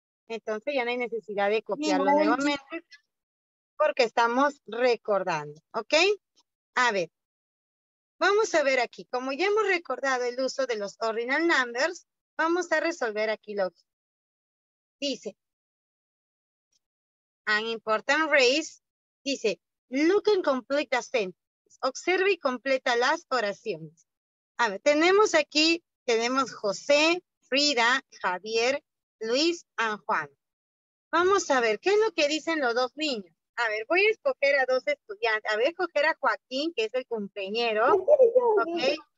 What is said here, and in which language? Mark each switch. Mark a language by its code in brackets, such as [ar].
[es] Entonces ya no hay necesidad de copiarlo nuevamente porque estamos recordando, ¿ok? A ver, vamos a ver aquí. Como ya hemos recordado el uso de los ordinal numbers, vamos a resolver aquí lo que dice. [en] An important race, [es] dice, [en] look and complete the sentence. [es] Observe y completa las oraciones. A ver, tenemos aquí, tenemos José, Frida, Javier, Luis y Juan. Vamos a ver, ¿qué es lo que dicen los dos niños? A ver, voy a escoger a dos estudiantes. A ver, escoger a Joaquín, que es el compañero. ¿Ok?